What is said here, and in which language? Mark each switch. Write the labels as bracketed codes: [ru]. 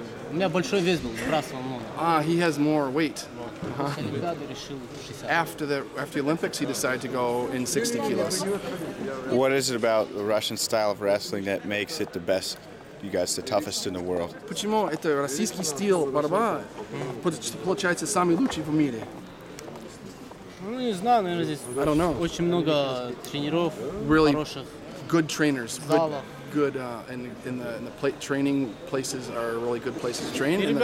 [ru] У меня большой вес был, сбрасывал много. [en] He has more weight. Uh-huh. After the Olympics, he decided to go in 60 kilos. What is it about the Russian style of wrestling that makes it the best, you guys, the toughest in the world? [ru] Почему это российский стиль борьба получается самый лучший в мире? Ну, не знаю, наверное, здесь очень много тренеров хороших. [en] Good trainers. And the training places are really good places to train.